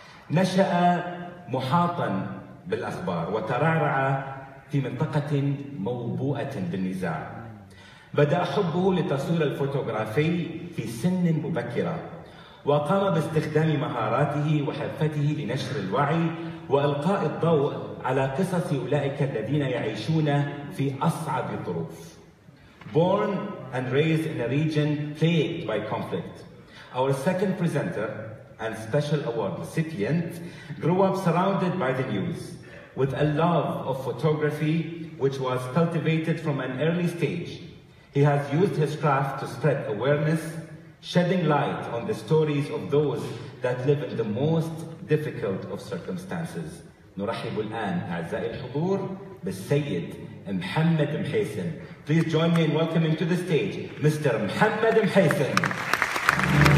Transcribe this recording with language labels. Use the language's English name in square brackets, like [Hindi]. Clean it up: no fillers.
[Arabic] نشأ محاطا بالأخبار وترعرع في منطقة موبوءة بالنزاع. بدأ حبه للتصوير الفوتوغرافي في سن مبكرة وقام باستخدام مهاراته وحرفته لنشر الوعي وإلقاء الضوء على قصص أولئك الذين يعيشون في أصعب الظروف. [English] Born and raised in a region plagued by conflict, our second presenter and special award recipient grew up surrounded by the news with a love of photography which was cultivated from an early stage. He has used his craft to spread awareness, shedding light on the stories of those that live in the most difficult of circumstances. [Arabic] نرحب الآن أعزائي الحضور بالسيد محمد محيسن. [English] Please join me in welcoming to the stage Mr. [Arabic] محمد محيسن.